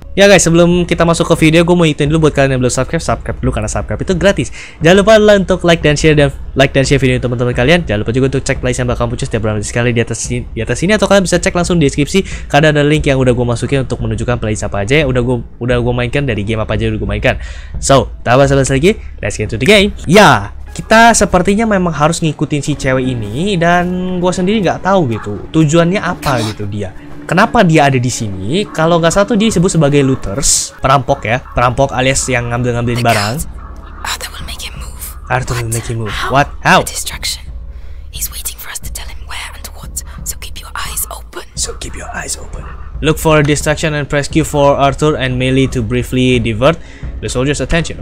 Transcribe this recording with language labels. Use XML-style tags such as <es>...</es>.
<id>Ya guys, sebelum kita masuk ke video, gue mau ingetin dulu buat kalian yang belum subscribe, subscribe dulu karena subscribe itu gratis. Jangan lupa lah untuk like dan share, dan like dan share video ini teman-teman kalian. Jangan lupa juga untuk cek playlist yang bakal muncul setiap berapa sekali di atas ini, atau kalian bisa cek langsung di deskripsi karena ada link yang udah gue masukin untuk menunjukkan playlist apa aja yang udah gue mainkan, dari game apa aja yang udah gue mainkan.</id> <en>So,</en> <id>tak basa-basi lagi,</id> <en>let's get to the game.</en> <id>Ya, kita sepertinya memang harus ngikutin si cewek ini, dan gue sendiri nggak tahu gitu tujuannya apa gitu dia. Kenapa dia ada di sini? Kalau nggak salah tuh dia disebut sebagai looters, perampok ya, perampok alias yang ngambil-ngambilin barang.</id> <en>Arthur will make him move. Arthur will make him move. What? How? A distraction. He's waiting for us to tell him where and what. So keep your eyes open. Look for a distraction and press Q for Arthur and Millie to briefly divert the soldiers' attention.</en>